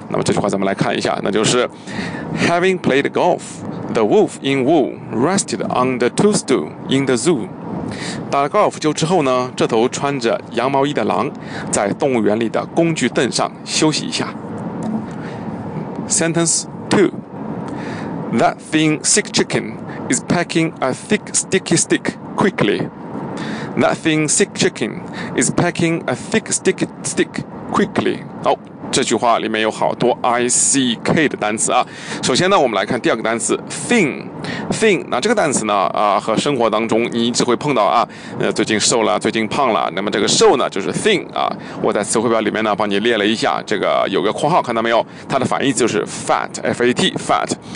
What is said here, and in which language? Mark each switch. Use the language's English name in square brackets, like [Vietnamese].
[Chinese] 那么这句话咱们来看一下，那就是 [English] having played golf the wolf in wool rested on the two stool in the zoo， [Chinese] 打了高尔夫球之后呢，这头穿着羊毛衣的狼在动物园里的工具凳上休息一下。 [English] Sentence 2 That thin sick chicken is pecking a thick sticky stick quickly. That thin sick chicken is pecking a thick sticky stick quickly. [Chinese] 好，这句话里面有好多 ICK 的单词啊。首先呢，我们来看第二个单词 thinThin， 那这个单词呢和生活当中你一直会碰到啊，最近瘦了，最近胖了，那么这个瘦呢就是 thin 啊，我在词汇表里面呢帮你列了一下，这个有个括号看到没有，它的反义就是 fat， F-A-T， fat。